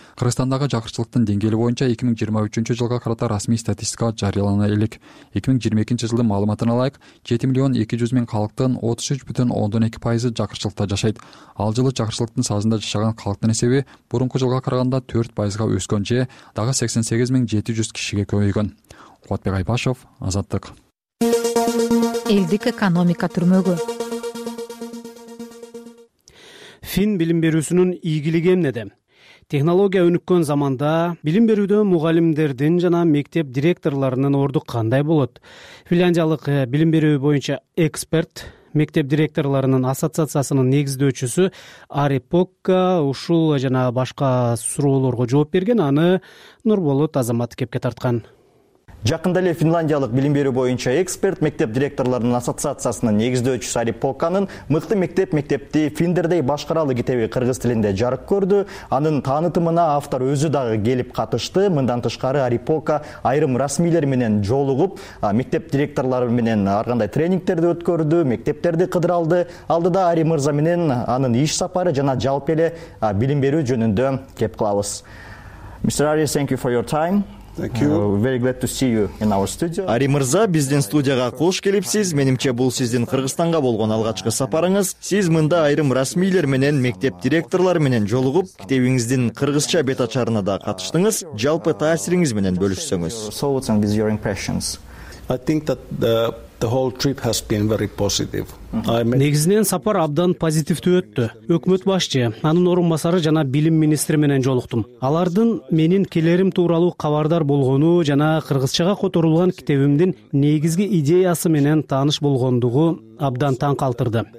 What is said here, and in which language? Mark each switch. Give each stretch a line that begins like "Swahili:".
Kyrgyz: Кыргызстандагы жакырчылыктын деңгээли боюнча 2023 жылга карата расмий статистика жарыялана элек. 2022 жылдын маалыматына ылайык 7,200,000 калктын 33.2% жакырчылыкта жашайт. Ал жылы жакырчылыктын сазында жашаган калктын эсеби мурунку жылга караганда 4% өскөн же дагы 88,700 кишиге көбөйгөн. Кубатбек Айбашов, Азаттык. Элдик экономика түрмөгү. Фин билим берүүсүнүн ийгилиги эмнеде? Технология өнүккөн заманда билим берүүдө мугалимдердин жана мектеп директорлорунун орду кандай болот? Финляндиялык билим берүү боюнча эксперт, мектеп директорлорунун ассоциациясынын негиздөөчүсү Ари Покка ушул жана башка суроолорго жооп берген, аны Нурболот Азамат кепке тарткан. Жакында эле финляндиялык билим берүү боюнча эксперт, мектеп директорлорунун ассоциациясынын негиздөөчүсү Ари Покканын «Мыкты мектеп мектепти финдердей башкаралы» китеби кыргыз тилинде жарык көрдү. Анын таанытымына автор өзү дагы келип катышты. Мындан тышкары Ари Покка айрым расмийлер менен жолугуп, мектеп директорлору менен ар кандай тренингдерди өткөрдү, мектептерди кыдыралды. Алдыда Ари мырза менен анын иш сапары жана жалпы эле билим берүү жөнүндө кеп кылабыз.
English: Мистер Ари, thank you for your time. Thank you. Very glad to see you in our studio.
Kyrgyz: Ари мырза, биздин студияга кош келипсиз. Менимче, бул сиздин Кыргызстанга болгон алгачкы сапарыңыз. Сиз мында айрым расмийлер менен, мектеп директорлору менен жолугуп, китебиңиздин кыргызча бетачарына да катыштыңыз. Жалпы таасириңиз менен бөлүшсөңүз.
English: So what are your impressions? I think that the whole trip has been very positive.
Kyrgyz: Негизинен сапар абдан позитивдүү өттү. Өкмөт башчы, анын орун басары жана билим министри менен жолуктум. Алардын менин келерим тууралуу кабардар болгону жана кыргызчага которулган китебимдин негизги идеясы менен тааныш болгондугу абдан таң калтырды.